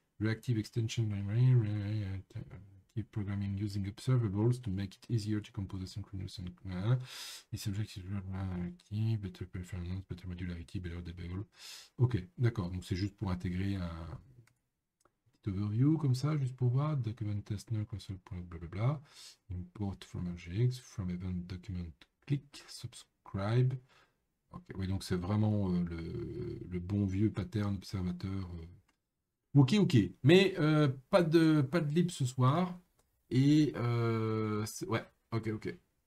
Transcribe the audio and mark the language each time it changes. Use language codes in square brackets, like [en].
[en] Reactive Extension Library... Programming using observables to make it easier to compose asynchronous and [fr] les objets qui [en] better performance, better modularity, better debugger. [fr] Ok, d'accord. Donc c'est juste pour intégrer un petit overview comme ça, juste pour voir. Document test null console point blablabla. [en] Import from RGX, from event document click, subscribe. [fr] Ok, oui, donc c'est vraiment le bon vieux pattern observateur. Ok. Mais pas de lib ce soir. Et ouais, ok.